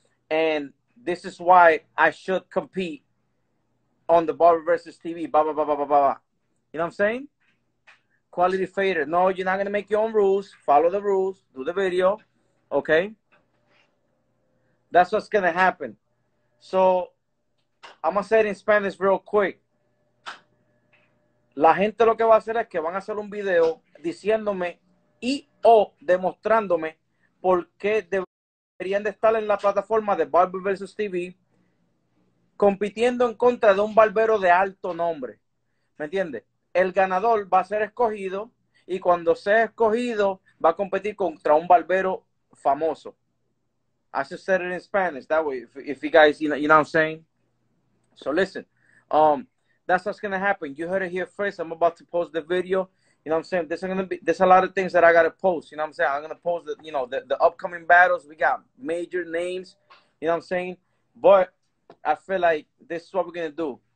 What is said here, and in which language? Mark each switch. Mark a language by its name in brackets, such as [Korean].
[English] And this is why I should compete on the Barber versus TV. Blah, blah, blah, blah, blah, blah. You know what I'm saying? Quality fader. No, you're not going to make your own rules. Follow the rules. Do the video. Okay? That's what's going to happen. So I'm going to say it in Spanish real quick. [Spanish] La gente lo que va a hacer es que van a hacer un video diciéndome y o demostrándome por qué deberían de estar en la plataforma de Barber vs. TV compitiendo en contra de un barbero de alto nombre. ¿Me entiendes? El ganador va a ser escogido y cuando sea escogido va a competir contra un barbero famoso. [English] I just said it in Spanish. That way, if you guys, you know what I'm saying? So listen, that's what's going to happen. You heard it here first. I'm about to post the video. You know what I'm saying? There's a lot of things that I got to post. You know what I'm saying? I'm going to post the, you know, the upcoming battles. We got major names. You know what I'm saying? But I feel like this is what we're going to do.